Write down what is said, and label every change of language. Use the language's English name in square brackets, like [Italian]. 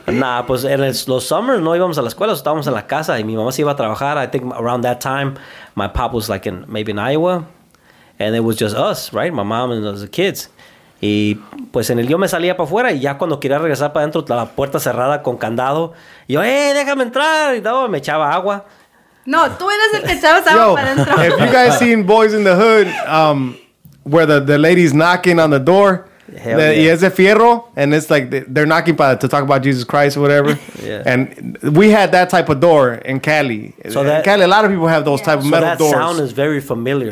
[Spanish] Nah, pues en los summers no íbamos a la escuela. Estábamos en la casa y mi mamá se iba a trabajar. [English] I think around that time, my pop was like maybe in Iowa. And it was just us, right? My mom and the kids. [Spanish] Y pues en el yo me salía para afuera y ya cuando quería regresar para adentro, la puerta cerrada con candado. Y yo, déjame entrar. Y no, me echaba agua. No, tú eres el que echabas agua para adentro. [English] If you guys seen Boys in the Hood, where the lady's knocking on the door. [Spanish] Y es de fierro. [English] And it's like they're knocking to talk about Jesus Christ or whatever. And we had that type of door in Cali. So in Cali, a lot of people have those type of metal doors. That sound is very familiar.